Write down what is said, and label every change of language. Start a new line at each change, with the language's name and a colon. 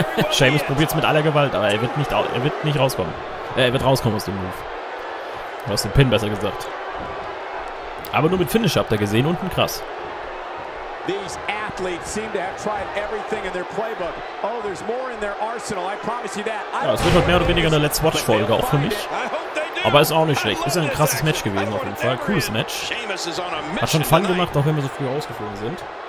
German: Sheamus probiert es mit aller Gewalt, aber er wird nicht rauskommen. Er wird rauskommen aus dem Move. Aus dem Pin, besser gesagt. Aber nur mit Finisher habt ihr gesehen, unten krass.
English: These athletes seem to have tried everything in their playbook. Oh, there's more in their arsenal. I promise you that.
German: Ja, es wird halt mehr oder weniger eine Let's Watch Folge auch für mich. Aber ist auch nicht schlecht. Ist ein krasses Match gewesen auf jeden Fall. Cooles Match. Hat schon Fun gemacht, auch wenn wir so früh rausgeflogen sind.